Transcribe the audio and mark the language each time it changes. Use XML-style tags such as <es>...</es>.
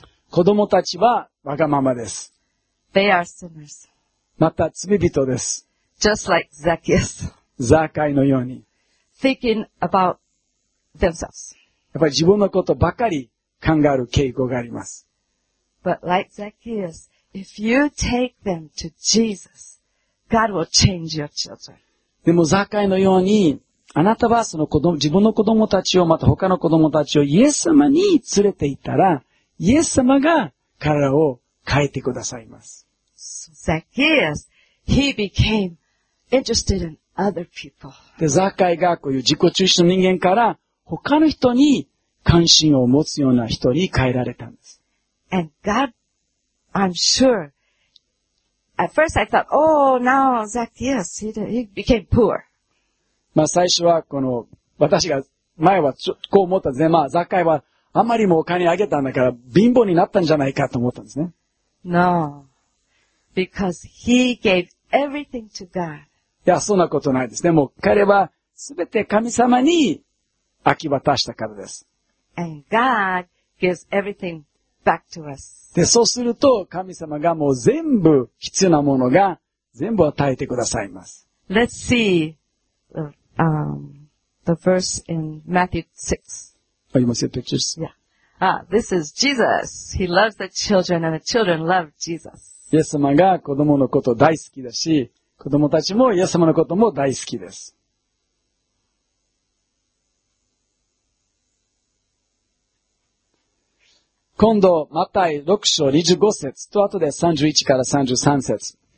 <ja>子供たちはわがままです。</ja> <en>They are sinners.</en> <ja>また罪人です。</ja> <en>Just like Zacchaeus.</en> <ja>ザカイのように。</ja> <en>Thinking about themselves.</en> <ja>やっぱり自分のことばかり考える傾向があります。</ja> <en>But like Zacchaeus. If you take them to Jesus, God will change your children.</en> <ja>でもザカイのように、あなたはその子供、自分の子供たちをまた他の子供たちをイエス様に連れて行ったら、イエス様が彼らを変えてくださいます。</ja> <en>So、Zacchaeus, he became interested in other people.</en> <ja>でザカイがこういう自己中心の人間から他の人に関心を持つような人に変えられたんです。</ja> <en>And GodI'm sure. At first I thought, oh, now Zacchaeus, he became poor.</en> <ja>まあ最初はこの、私が前はこう思ったんですね。まあザカイはあまりもお金あげたんだから貧乏になったんじゃないかと思ったんですね。</ja> <en>No. Because he gave everything to God.</en> <ja>いや、そんなことないですね。もう彼はすべて神様に明け渡したからです。</ja> <en>And God gives everything back to us.</en> <ja>で、そうすると、神様がもう全部、必要なものが、全部与えてくださいます。</ja> <en>Let's see, the verse in Matthew 6.</en> <ja>あ、今、</ja> <en>see the pictures? Yeah. Ah, this is Jesus. He loves the children and the children love Jesus.</en> <ja>イエス様が子供のこと大好きだし、子供たちもイエス様のことも大好きです。今度、マタイ6章25節と後で31から33節。</ja>